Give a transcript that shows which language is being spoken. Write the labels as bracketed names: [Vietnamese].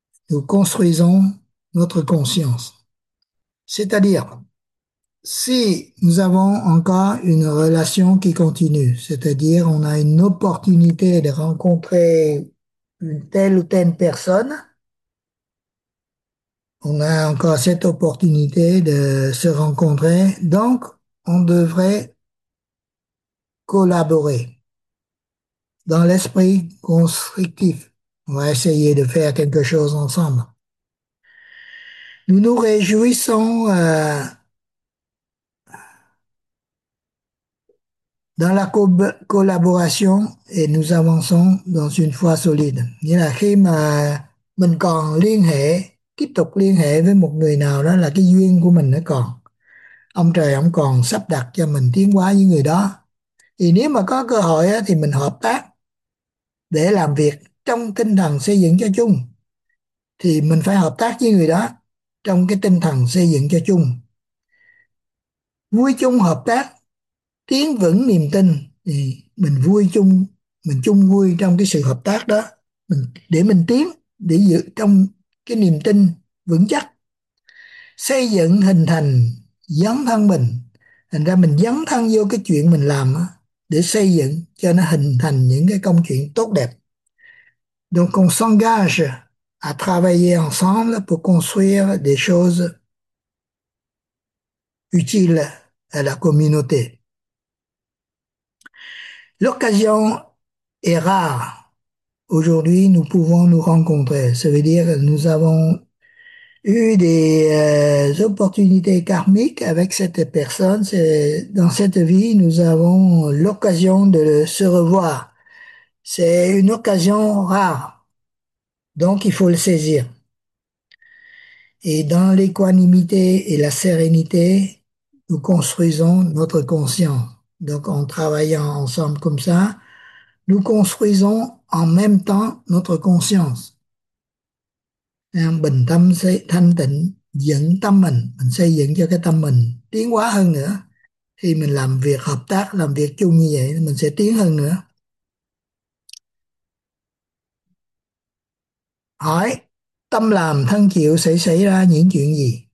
[French] Nous construisons notre conscience. C'est-à-dire, si nous avons encore une relation qui continue, c'est-à-dire on a une opportunité de rencontrer une telle ou telle personne, on a encore cette opportunité de se rencontrer, donc on devrait collaborer dans l'esprit constructif. On va essayer de faire quelque chose ensemble. Nous nous réjouissons dans la co collaboration et nous avançons dans une foi solide. [Vietnamese] Nghĩa là khi mà mình còn liên hệ, tiếp tục liên hệ với một người nào đó là cái duyên của mình nó còn. Ông trời ông còn sắp đặt cho mình tiến hóa với người đó. Thì nếu mà có cơ hội á, thì mình hợp tác để làm việc trong tinh thần xây dựng cho chung. Thì mình phải hợp tác với người đó trong cái tinh thần xây dựng cho chung. Vui chung hợp tác tiến vững niềm tin thì mình vui chung, mình chung vui trong cái sự hợp tác đó, để mình tiến, để giữ trong cái niềm tin vững chắc, xây dựng hình thành dấn thân mình. Thành ra mình dấn thân vô cái chuyện mình làm đó, để xây dựng cho nó hình thành những cái công chuyện tốt đẹp. [French] Donc on s'engage à travailler ensemble pour construire des choses utiles à la communauté. L'occasion est rare. Aujourd'hui, nous pouvons nous rencontrer. Ça veut dire que nous avons eu des opportunités karmiques avec cette personne. C'est dans cette vie, nous avons l'occasion de se revoir. C'est une occasion rare. Donc, il faut le saisir. Et dans l'équanimité et la sérénité, nous construisons notre conscience. Donc en travaillant ensemble comme ça, nous construisons en même temps notre conscience. [Vietnamese] Bình tâm thanh tịnh, dẫn tâm mình xây dựng cho cái tâm mình tiến hóa hơn nữa. Khi mình làm việc hợp tác, làm việc chung như vậy mình sẽ tiến hơn nữa. Hỏi: tâm làm thân chịu sẽ xảy ra những chuyện gì?